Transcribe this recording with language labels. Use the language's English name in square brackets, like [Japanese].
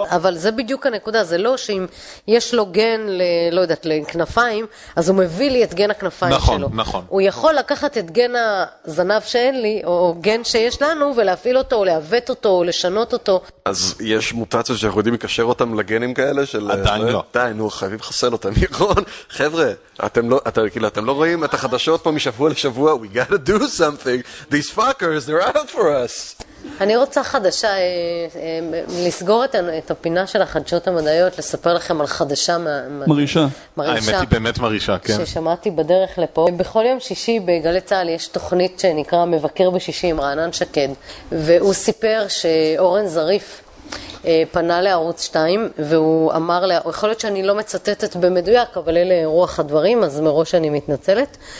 [Hebrew] אבל זה בדיוק הנקודה, זה לא שאם יש לו גן, לא יודעת, לכנפיים, אז הוא מביא לי את גן הכנפיים שלו. נכון, נכון. הוא יכול לקחת את גן הזנב שאין לי, או גן שיש לנו, ולהפעיל אותו, או להוות אותו, או לשנות אותו. אז יש מוטציות שאנחנו יודעים לקשר אותם לגנים כאלה של... עדיין לא. די, נו, חייבים לחסל אותם, נכון. חבר'ה, אתם לא רואים את החדשות פה משבוע לשבוע, [English] we gotta do something, these fuckers, they're out for us. [Hebrew] אני רוצה חדשה, לסגור את הפינה של החדשות המדעיות, לספר לכם על חדשה מרישה. האמת היא באמת מרישה, כן. ששמעתי בדרך לפה. בכל יום שישי בגלי צהל יש תוכנית שנקרא מבקר בשישי עם רענן שקד, והוא סיפר שאורן זריף פנה לערוץ 2, והוא אמר לה, יכול להיות שאני לא מצטטת במדויק, אבל אלה רוח הדברים, אז מראש אני מתנצלת.